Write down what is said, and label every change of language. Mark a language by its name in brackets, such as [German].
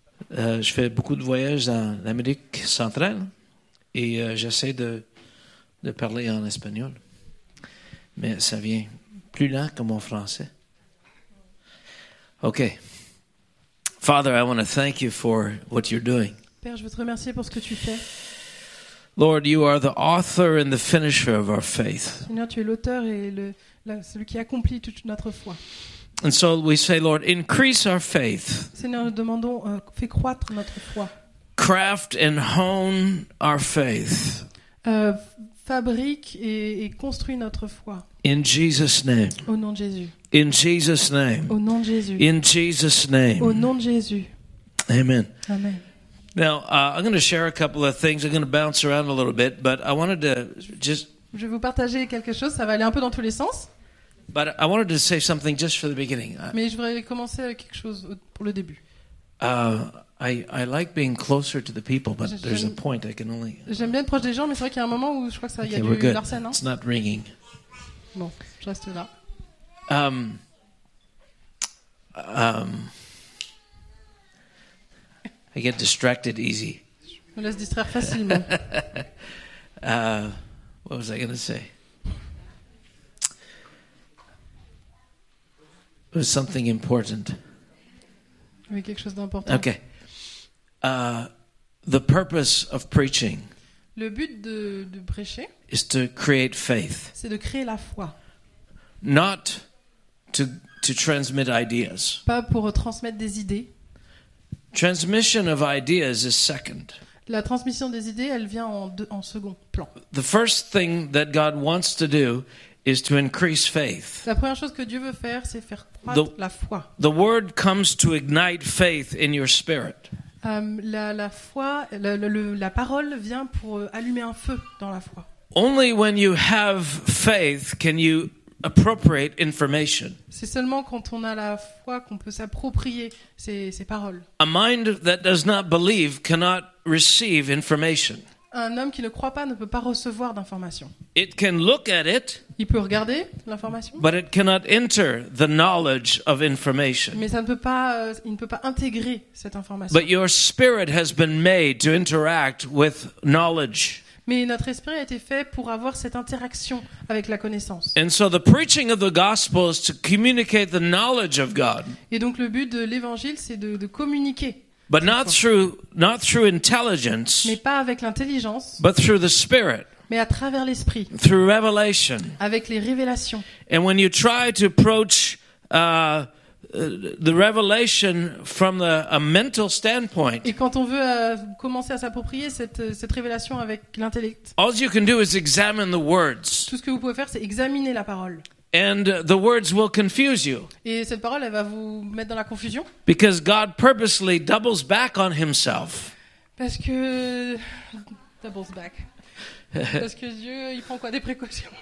[French] Je fais beaucoup de voyages dans l'Amérique centrale et j'essaie de parler en espagnol. Mais ça vient plus lent que mon français. OK. [English] Father, I want to thank you for what you're doing. [French] Père, je veux te remercier pour ce que tu fais. [English] Lord, you are the author and the finisher of our faith. [French] Seigneur, tu es l'auteur et celui qui accomplit toute notre foi. [English] And so we say, Lord, increase our faith. [French] Seigneur, nous demandons, fais croître notre foi. [English] Craft and hone our faith. [French] Fabrique et construis notre foi. [English] In Jesus' name. [French] Au nom de Jésus. [English] In Jesus' name. [French] Au nom de Jésus. [English] In Jesus' name. [French] Au nom de Jésus. [English] Amen. [French] Amen. [English] Now, I'm going to share a couple of things. I'm going to bounce around a little bit, but I wanted to just... [French] Je vais vous partager quelque chose. Ça va aller un peu dans tous les sens. [English] But I wanted to say something just for the beginning. [French] Mais je voudrais commencer avec quelque chose pour le début. [English] I like being closer to the people, but there's a point I can only... [French] J'aime bien être proche des gens, mais c'est vrai qu'il y a un moment où je crois que ça, okay, y a du larcène, hein? [English] It's not ringing. [French] Bon, je reste là. [English] I get distracted easy. [French] Je me laisse distraire facilement. [English] What was I going to say? It was something important. [French] Oui, quelque chose d'important. [English] Okay. The purpose of preaching. [French] Le but de prêcher. [English] Is to create faith. [French] C'est de créer la foi. [English] Not to transmit ideas. [French] Pas pour transmettre des idées. [English] Transmission of ideas is second. [French] La transmission des idées, elle vient en second plan. [English] The first thing that God wants to do is to increase faith. [French] La première chose que Dieu veut faire, c'est faire croître la foi. [English] The word comes to ignite faith in your spirit. [French] La parole vient pour allumer un feu dans la foi. [English] Only when you have faith can you appropriate information. [French] C'est seulement quand on a la foi qu'on peut s'approprier ces paroles. [English] A mind that does not believe cannot receive information. [French] Un homme qui ne croit pas ne peut pas recevoir d'information. [English] It can look at it. [French] Il peut regarder l'information. [English] But it cannot enter the knowledge of information. [French] Mais ça ne peut pas, il ne peut pas intégrer cette information. [English] But your spirit has been made to interact with knowledge. [French] Mais notre esprit a été fait pour avoir cette interaction avec la connaissance. [English] And so the preaching of the gospel is to communicate the knowledge of God. [French] Et donc le but de l'évangile, c'est de communiquer. [English] But not through intelligence. [French] Mais pas avec l'intelligence. [English] But through the spirit. [French] Mais à travers l'esprit. [English] Through revelation. [French] Avec les révélations. [English] And when you try to approach the revelation from a mental standpoint. [French] Et quand on veut commencer à s'approprier cette révélation avec l'intellect. [English] All you can do is examine the words. [French] Tout ce que vous pouvez faire, c'est examiner la parole. [English] And the words will confuse you. [French] Et cette parole, elle va vous mettre dans la confusion. [English] Because God purposely doubles back on himself. [French] Parce que [English] doubles back. [French] Parce que Dieu, il prend quoi, des précautions?